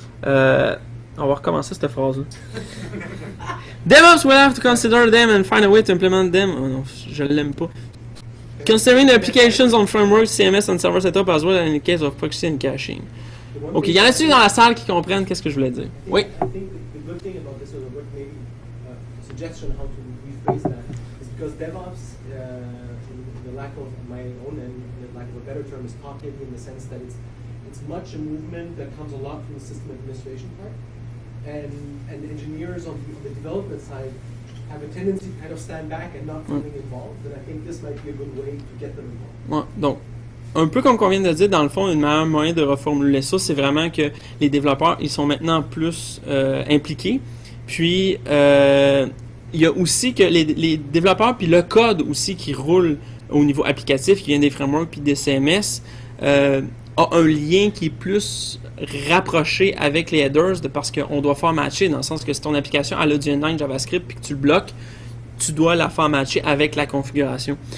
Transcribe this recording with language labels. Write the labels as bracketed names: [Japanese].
[French] on va recommencer cette phrase-là. [English] DevOps will have to consider them and find a way to implement them. [French] Oh non, je l'aime pas. [English] Considering the applications on frameworks, CMS and server setup as well in the case of proxy and caching. [French] Ok, il y en a-t-il dans la salle qui comprennent qu'est-ce que je voulais dire? Oui? [English] I think the good thing about this is a word maybe suggestion how to rephrase that is because DevOps, the lack of my own and the lack of a better term is talking in the sense that it's much a movement that comes a lot from the system administration part. And engineers on the development side have a tendency to kind of stand back and not feeling involved. And I think this might be a good way to get them involved. [French] Ouais, donc, un peu comme on vient de dire, dans le fond, une meilleure moyen de reformuler ça, c'est vraiment que les développeurs, ils sont maintenant plus impliqués. Puis, il y a aussi que les développeurs, puis le code aussi qui roule au niveau applicatif, qui vient des frameworks, puis des CMS, a un lien qui est plus rapproché avec les headers parce qu'on doit faire matcher, dans le sens que si ton application a du inline JavaScript puis que tu le bloques, tu dois la faire matcher avec la configuration.